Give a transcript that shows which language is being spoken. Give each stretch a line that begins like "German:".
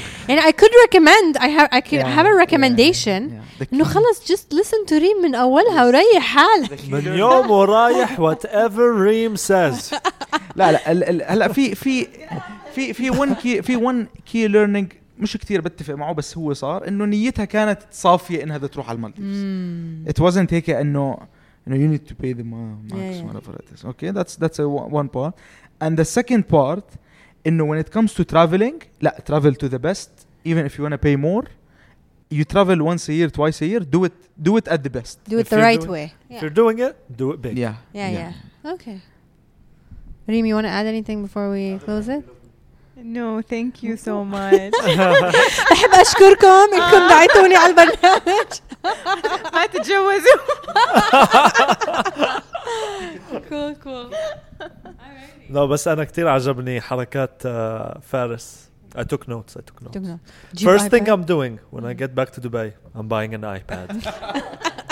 English: And I could recommend, I have a recommendation. No, خلاص, just listen to Reem
Arabic: من أولها وريح حالك. من يوم ورايح,
English: whatever Reem says.
Arabic: لا لا, هلا في في في في
English: one key learning
Arabic: مش كتير بتفق معه, بس هو صار إنه نيتها كانت صافية إنها تروح على المالديف.
English: It wasn't
Arabic: هيك إنه
English: you need to pay the max whatever it is. Okay, that's a one part. And the second part, إنه when it comes to traveling, لا, travel to the best, even if you want to pay more, you travel once a year, twice a year, do it at the best. Do it the right way. If you're doing it, do it big. Yeah. Okay. Reem, you want to add anything before we close it? No, thank you so much.
Arabic: أحب أشكركم إنكم دعيتوني على البرنامج. ما تتجوزوا.
English: Cool.
Arabic: لا بس أنا كتير عجبني حركات فارس.
English: I took notes. First thing I'm doing when I get back to Dubai, I'm buying an iPad.